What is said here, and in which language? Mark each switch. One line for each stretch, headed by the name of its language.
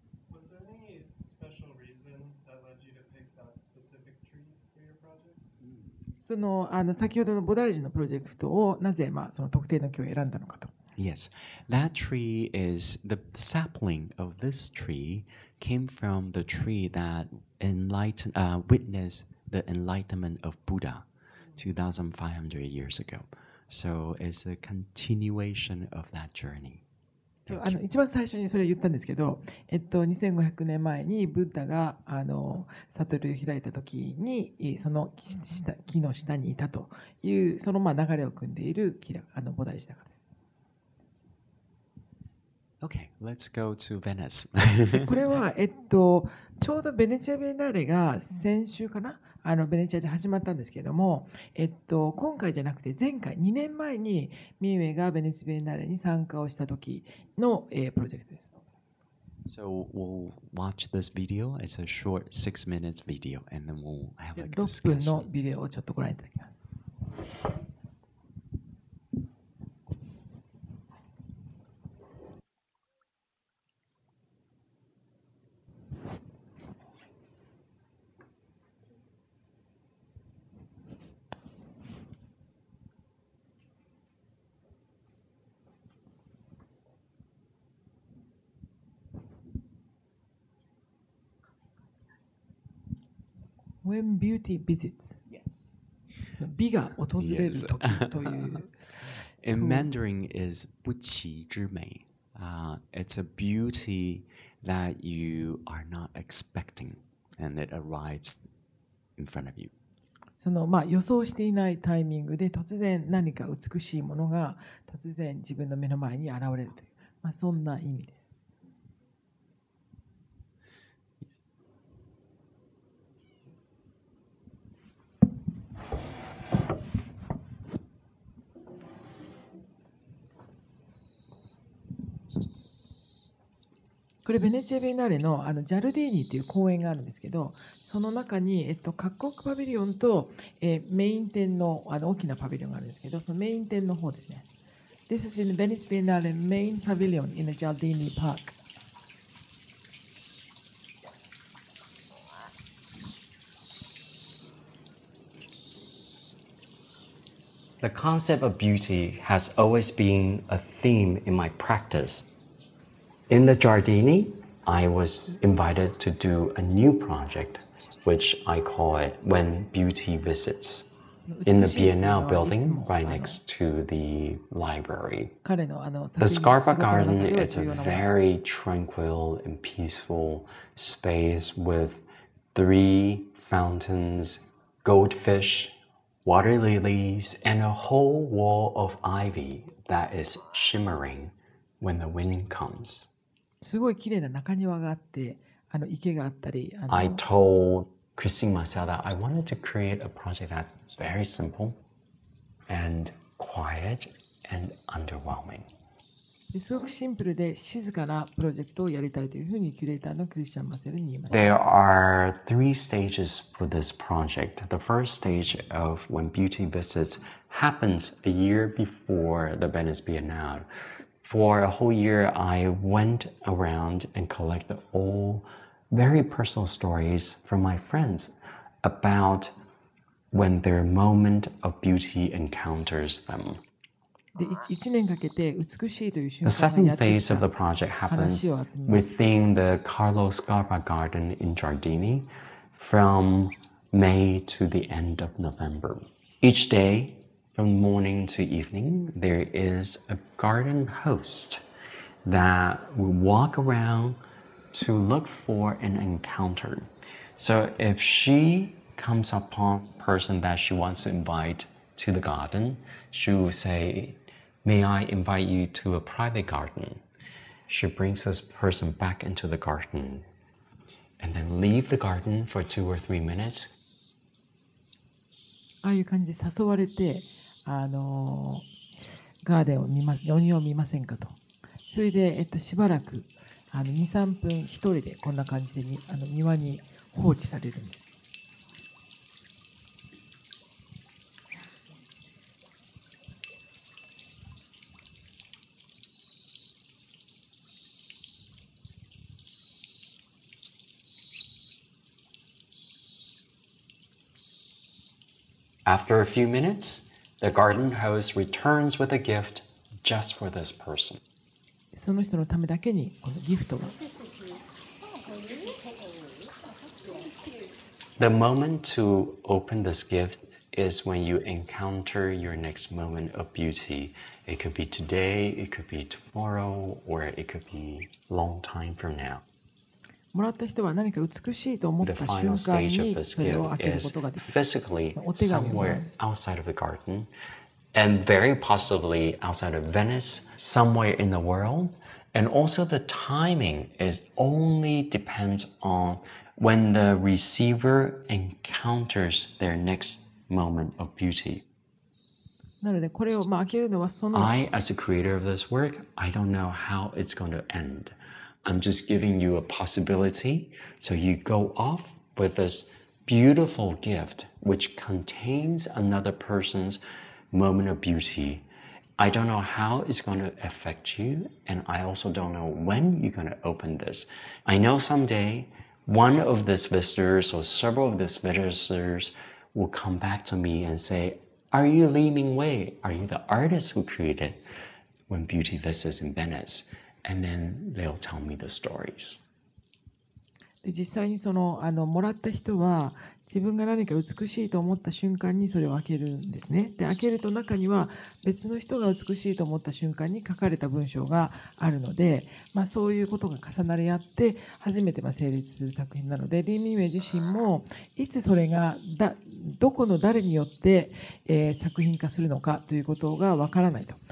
English: Was there any special reason that led you to pick that specific tree for your project?
Japanese: その先ほどの菩提樹のプロジェクトをなぜその特定の木を選んだのかと。
English: Yes, that tree is the sapling of this tree came from the tree that witnessed the enlightenment of Buddha 2,500 years ago. So it's a continuation of that journey.
Japanese: 一番最初にそれを言ったんですけど、2500年前にブッダが悟りを開いた時にその木の下にいたという、その流れを組んでいる木だ、菩提樹だからです。
English: Okay, let's go to Venice.
Japanese: これはちょうどベネチアビエンナーレが先週かな、ベネチアで始まったんですけれども、今回じゃなくて前回2年前にミンウェイがベネチアビエンナーレに参加をした時の、プロジェクトです。
English: So we'll watch this video. It's a short 6 minutes video, and then we'll have a discussion.
Japanese: 6 分のビデオをちょっとご覧いただきます。
English: When beauty visits. Yes.
Japanese: 美が訪れる時という。
English: In Mandarin is
Chinese: 不其之美。
English: It's a beauty that you are not expecting and it arrives in front of you.
Japanese: その予想していないタイミングで突然何か美しいものが突然自分の目の前に現れるという、そんな意味です。これベネチアビエンナーレのジャルディーニという公園があるんですけど、その中に各国パビリオンとメイン店の大きなパビリオンがあるんですけど、そのメイン店の方ですね。
English: This is in the Venice Biennale main pavilion in the Giardini Park. The concept of beauty has always been a theme in my practice. In the Giardini, I was invited to do a new project, which I call it When Beauty Visits, in the Biennale building right next to the library. The Scarpa Garden is a very tranquil and peaceful space with three fountains, goldfish, water lilies, and a whole wall of ivy that is shimmering when the wind comes.
Japanese: すごい綺麗な中庭があって、あの池があったり、あの
English: I told Christine myself that I wanted to create a project that's very simple and quiet and underwhelming.
Japanese: すごくシンプルで静かなプロジェクトをやりたいというふうにキュレーターのクリスチャン・マセルに言いました。
English: There are three stages for this project. The first stage of when beauty visits happens a year before the Venice Biennale. For a whole year, I went around and collected all very personal stories from my friends about when their moment of beauty encounters them.
Japanese: で 1年かけて美しいという瞬間にやってきた。
English: The second phase of the project happens within the Carlo Scarpa Garden in Giardini from May to the end of November. Each day, from morning to evening, there is a garden host that will walk around to look for an encounter. So if she comes upon a person that she wants to invite to the garden, she will say,May I invite you to a private garden? She brings this person back into the garden and then leave the garden for two or three minutes.
Japanese: ああいう感じで誘われて、ガーデンを見ます、庭を見ませんかと。それで、しばらく、2、3分一人でこんな感じでに、庭に放置されるんです。
English: After a few minutes, the garden host returns with a gift just for this person.
Japanese: その人のためだけにこのギフトを。
English: The moment to open this gift is when you encounter your next moment of beauty. It could be today, it could be tomorrow, or it could be long time from now.
Japanese: もらった人は何か美しいと思った瞬間にそれを開けることができる。
English: Physically, somewhere outside of the garden, and very possibly outside of Venice, somewhere in the world, and also the timing is only depends on when the receiver encounters their next moment of beauty.
Japanese: なのでこれをまあ開けるのはその。
English: I, as the creator of this work, I don't know how it's going to end. I'm just giving you a possibility, so you go off with this beautiful gift, which contains another person's moment of beauty. I don't know how it's going to affect you, and I also don't know when you're going to open this. I know someday one of these visitors or several of these visitors will come back to me and say, Are you Li Mingwei? Are you the artist who created When Beauty Visits in Venice? And then they'll tell me the stories.
Japanese: で実際にそのもらった人は自分が何か美しいと思った瞬間にそれを開けるんですね。で開けると中には別の人が美しいと思った瞬間に書かれた文章があるので、まあ、そういうことが重なり合って初めて成立する作品なので、リー・ミンウェイ自身もいつそれがどこの誰によって、作品化するのかということがわからないと。